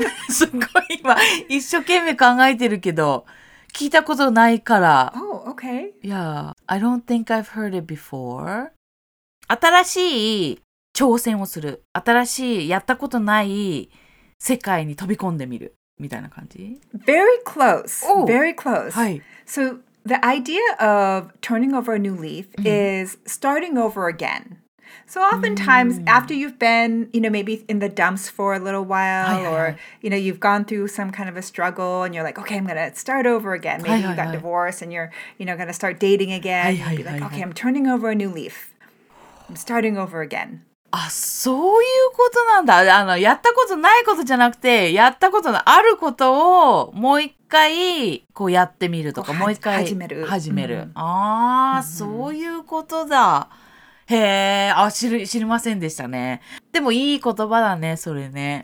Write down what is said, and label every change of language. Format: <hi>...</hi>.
<ja>すごい今一生懸命考えてるけど聞いたことないから。</ja> <en>Oh, okay. Yeah, I don't think I've heard it before.</en> <ja>新しい挑戦をする。新しいやったことない世界に飛び込んでみるみたいな感じ。</ja> <en>Very close.、 Oh. Very close.、</en> <ja>はい、</ja> <en>so the idea of turning over a new leaf is starting over again. So oftentimes after you've been, you know, maybe in the dumps for a little while、</en> <ja>はいはいはい、</ja> <en>or, you know, you've gone through some kind of a struggle and you're like, okay, I'm going to start over again. Maybe、</en> <ja>はいはいはい、</ja> <en>you got divorced and you're, you know, going to start dating again.</en> <ja>はいはいはい、はい、</ja> <en>you'd be like, okay, I'm turning over a new leaf. I'm starting over again.</en> <ja>あ、そういうことなんだ。あの、やったことないことじゃなくて、やったことのあることをもう一回こうやってみるとか、もう一回始めるうん、ああ、うん、そういうことだ。へえ、あ、知りませんでしたね。でもいい言葉だね、それね。</ja>